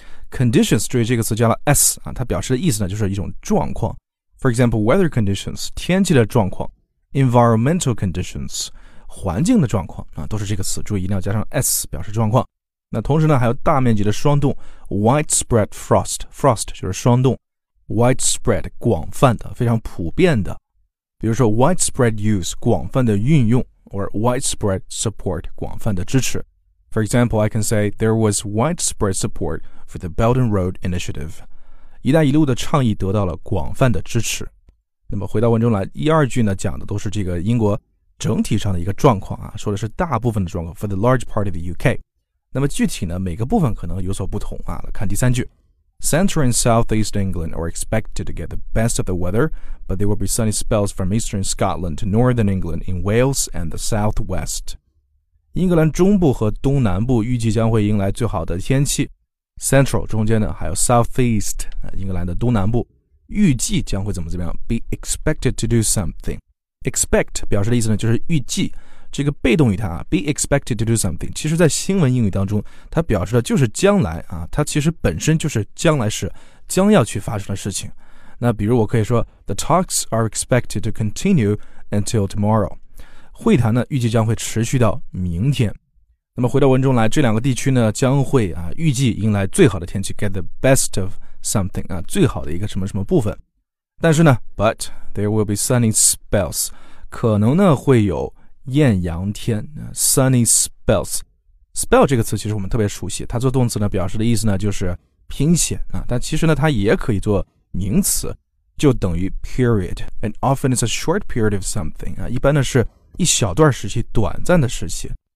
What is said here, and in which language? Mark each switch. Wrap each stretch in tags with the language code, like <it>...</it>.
<zh>conditions 注意这个词加了 s 啊，它表示的意思呢就是一种状况， for example</zh> <en>weather conditions</en> <zh>天气的状况，</zh> <en>environmental conditions</en> <zh>环境的状况啊，都是这个词，注意一定要加上 s 表示状况。那同时呢还有大面积的霜冻，</zh> <en>widespread frost，</en> <zh>frost 就是霜冻，widespread 广泛的非常普遍的，比如说</zh> <en>widespread use</en> <zh>广泛的运用，</zh> <en>or widespread support</en> <zh>广泛的支持。</zh> <en>For example I can say there was widespread support for the Belt and Road Initiative，</en> <zh>一带一路的倡议得到了广泛的支持。那么回到文中来，一二句呢讲的都是这个英国整体上的一个状况啊，说的是大部分的状况</zh> <en>for the large part of the UK，</en> <zh>那么具体呢每个部分可能有所不同啊。</zh> <en>看第三句，Central and Southeast England are expected to get the best of the weather, but there will be sunny spells from Eastern Scotland to Northern England in Wales and the South West.</en> <zh>英格兰中部和东南部预计将会迎来最好的天气。 Central 中间的还有 Southeast 英格兰的东南部预计将会怎么怎么样？</zh> <en>Be expected to do something.</en> <zh>Expect 表示的意思呢就是预计。这个被动语它啊 ，</zh> <en>be expected to do something，</en> <zh>其实在新闻英语当中，它表示的就是将来啊，它其实本身就是将来时将要去发生的事情。那比如我可以说</zh> <en>，the talks are expected to continue until tomorrow，</en> <zh>会谈呢预计将会持续到明天。那么回到文中来，这两个地区呢将会啊预计迎来最好的天气 ，</zh> <en>get the best of something</en> <zh>啊，最好的一个什么什么部分。但是呢 ，</zh> <en>but there will be sunny spells，</en> <zh>可能呢会有。艳阳天 sunny spells， spell 这个词其实我们特别熟悉，它做动词呢表示的意思呢就是拼写啊，但其实呢它也可以做名词，就等于 period，</zh> <en>and often it's a short period of something</en> <zh>啊，一般呢是一小段时期，短暂的时期。</zh>